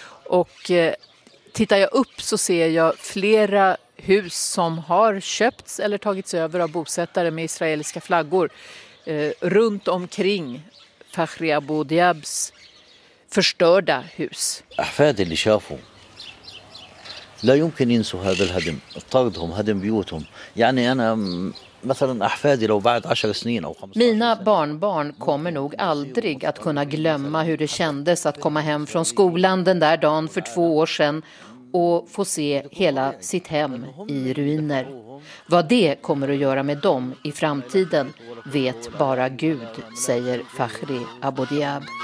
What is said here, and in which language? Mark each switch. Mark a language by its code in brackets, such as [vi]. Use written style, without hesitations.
[sv] Och tittar jag upp så ser jag flera hus som har köpts eller tagits över av bosättare med israeliska flaggor. Runt omkring Fakhri Abu Diabs förstörda hus. Affärde li shafu. [ar] لا يمكن ينسوا هذا الهدم طردهم هدم بيوتهم يعني انا مثلا احفادي لو بعد 10 سنين او 15 [sv] mina barnbarn kommer nog aldrig att kunna glömma hur det kändes att komma hem från skolan den där dagen för 2 år sedan och få se hela sitt hem i ruiner. Vad det kommer att göra med dem i framtiden vet bara Gud, säger Fakhri Abu Diab.